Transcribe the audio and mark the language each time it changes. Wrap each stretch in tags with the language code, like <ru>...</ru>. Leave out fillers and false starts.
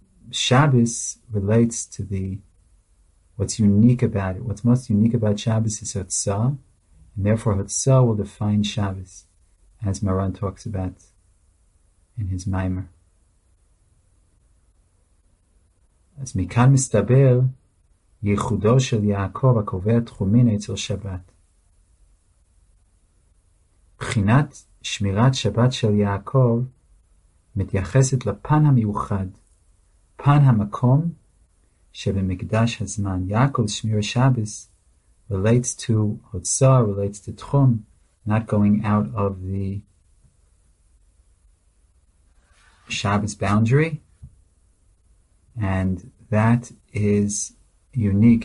<en>Shabbos relates to what's unique about it. What's most unique about Shabbos is Hotza'ah, and therefore Hotza'ah will define Shabbos, as Maran talks about in his Maimer.</en> <he>אז מכאן מסתבר ייחודו של יעקב הקובע תחומין אצל שבת. בחינת שמירת שבת של יעקב מתייחסת לפן המיוחד, פן המקום שבמקדש הזמן.</he> <en>יעקב שמיר שבת relates to Hotzah, relates to תחום, not going out of the Shabbos boundary, and that is unique.</en>